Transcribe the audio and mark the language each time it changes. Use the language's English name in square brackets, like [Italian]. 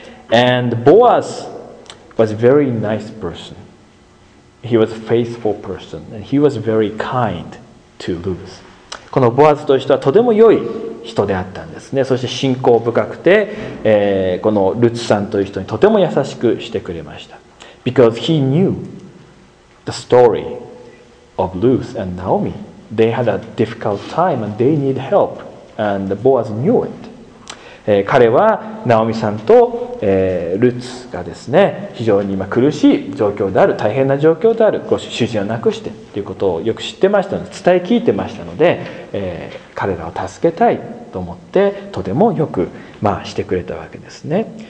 [English] And Boaz was a very nice person. He was a faithful person. And he was very kind to Ruth. [Japanese] このボアズという人はとても良い人であったんですね。そして信仰深くて、このルツさんという人にとても優しくしてくれました。 [English] Because he knew the story of Ruth and Naomi. They had a difficult time and they need help. And Boaz knew it. [Japanese] 彼はナオミさんと、ルツがですね非常に今苦しい状況である大変な状況であるご主人を亡くしてということをよく知ってましたので伝え聞いてましたので、彼らを助けたいと思ってとてもよく、まあ、してくれたわけですね